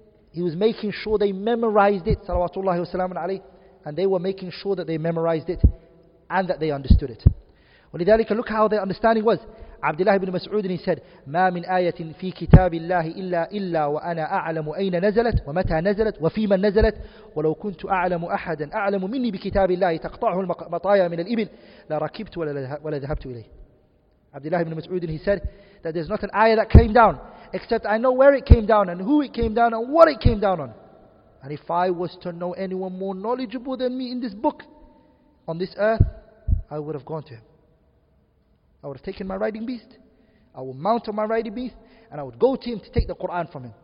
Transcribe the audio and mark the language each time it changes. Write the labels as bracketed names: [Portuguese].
[English] He was making sure they memorized it, salawatullahi wa salamun alayhi, and they were making sure that they memorized it and that they understood it. [Arabic] ولذلك, [English] look how their understanding was. Abdullah ibn Mas'ud, he said, [Arabic] مَا مِنْ آيَةٍ فِي كِتَابِ اللَّهِ إِلَّا وَأَنَا أَعْلَمُ أَيْنَ نَزَلَتْ وَمَتَى نَزَلَتْ وَفِيمَنْ نَزَلَتْ وَلَوْ كُنْتُ أَعْلَمُ أَحَدًا أَعْلَمُ مِنِّي بِكِتَابِ اللَّهِ تَقْطَعُهُ الْمَطَايَا مِنَ الْإِبِلِ لَرَكِبْتُ وَلَا ذَهَبْتُ إِلَيْهِ. [English] Abdullah ibn Mas'ud, he said that there's not an ayah that came down except I know where it came down and who it came down and what it came down on. And if I was to know anyone more knowledgeable than me in this book on this earth, I would have gone to him. I would have taken my riding beast, I would mount on my riding beast, and I would go to him to take the Qur'an from him.